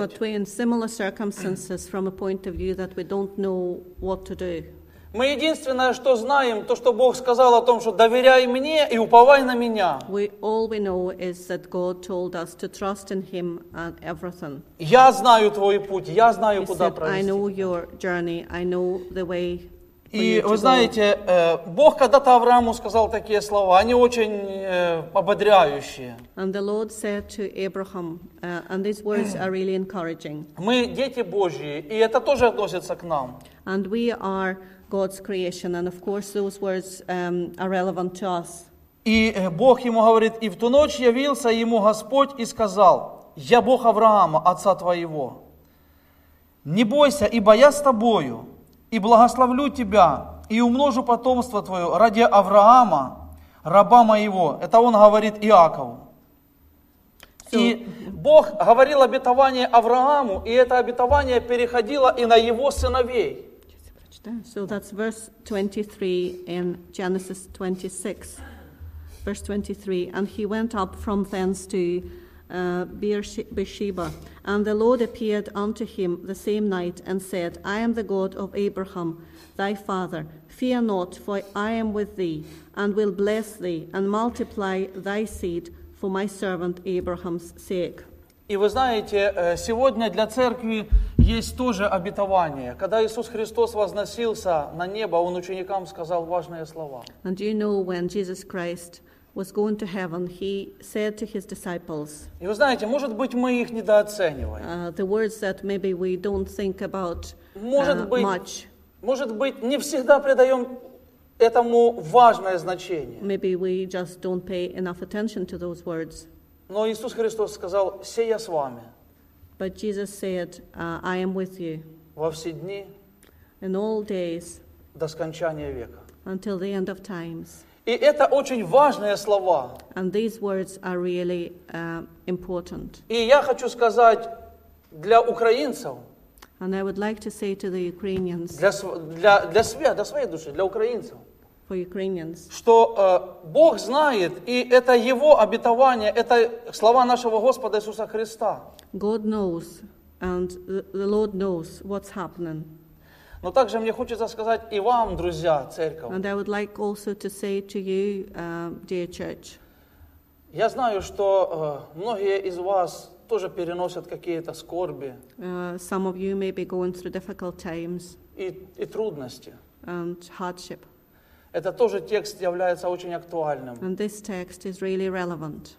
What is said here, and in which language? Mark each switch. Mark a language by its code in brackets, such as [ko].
[en] But we're in similar circumstances from a point of view that we don't know what to do. [ru] Мы единственное, что знаем, то, что Бог сказал о том, что доверяй мне и уповай на меня. [en] All we know is that God told us to trust in Him and everything. [ru] Я знаю твой путь, я знаю, [en] he [ru] куда [en] said, [ru] провести. [en] I know your journey, I know the way. [ru] И вы знаете, Бог когда-то Аврааму сказал такие слова, они очень ободряющие. [en] And the Lord said to Abraham, and these words are really encouraging. [ru] Мы дети Божьи, и это тоже относится к нам. [en] And we are God's creation, and of course those words are relevant to us. [ru] И Бог ему говорит, и в ту ночь явился ему Господь и сказал, «Я Бог Авраама, отца твоего. Не бойся, ибо я с тобою». И благословлю тебя, и умножу потомство твое ради Авраама, раба моего. Это он говорит Иакову. И Бог говорил обетование Аврааму, и это обетование переходило и на его сыновей. [en] So that's verse 23 in Genesis 26. Verse 23. And he went up from thence to Beersheba. And the Lord appeared unto him the same night and said, I am the God of Abraham, thy father. Fear not, for I am with thee, and will bless thee, and multiply thy seed for my servant Abraham's sake. [ru] И вы знаете, сегодня для церкви есть тоже обетование. Когда Иисус Христос возносился на небо, Он ученикам сказал важные слова. [en] And do you know when Jesus Christ was going to heaven, he said to his disciples. [ru] И вы знаете, может быть, мы их недооцениваем. [en] The words that maybe we don't think about much. [ru] Может быть, не всегда придаем этому важное значение. [en] Maybe we just don't pay enough attention to those words. [ru] Но Иисус Христос сказал: «Се я с вами». [en] But Jesus said, I am with you. [ru] Во все дни. [en] In all days. [ru] До скончания века. [en] Until the end of times. [ru] И это очень важные слова. [en] And these words are really, important. [ru] И я хочу сказать для украинцев. [en] And I would like to say to the Ukrainians. [ru] Для себя, для своей души, для украинцев. [en] For Ukrainians. [ru] Что Бог знает, и это Его обетование, это слова нашего Господа Иисуса Христа. [en] God knows, and the Lord knows what's happening. [ru] Но также мне хочется сказать и вам, друзья, церковь. [en] And I would like also to say to you, dear church. [ru] Я знаю, что многие из вас тоже переносят какие-то скорби. [en] Some of you may be going through difficult times. [ru] И трудности. [en] And hardship. [ru] Это тоже текст является очень актуальным. [en] And this text is really relevant.